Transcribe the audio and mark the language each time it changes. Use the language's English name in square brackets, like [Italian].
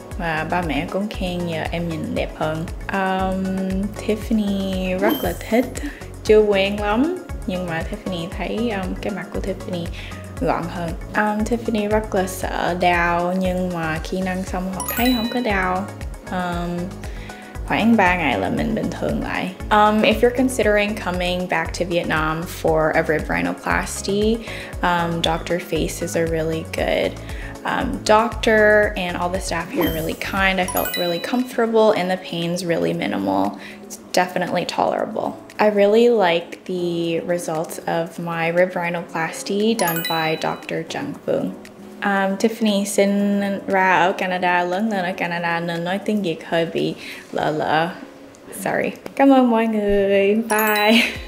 [Vietnamese] Và ba mẹ cũng khen giờ em nhìn đẹp hơn. Tiffany rất là thích, chưa quen lắm, nhưng mà Tiffany thấy cái mặt của Tiffany gọn hơn. Tiffany rất là sợ đau, nhưng mà khi nâng xong họ thấy không có đau. Khoảng 3 ngày là mình bình thường lại. [English] If you're considering coming back to Vietnam for a rib rhinoplasty, Dr. Face is a really good doctor, and all the staff here are really kind. I felt really comfortable and the pain's really minimal. It's definitely tolerable. I really like the results of my rib rhinoplasty done by Dr. Jung Phương. [Vietnamese] Tiffany sinh ra ở Canada, lớn lên ở Canada nên nói tiếng Việt hơi bị lờ lờ. Sorry. Cảm ơn mọi người. Bye.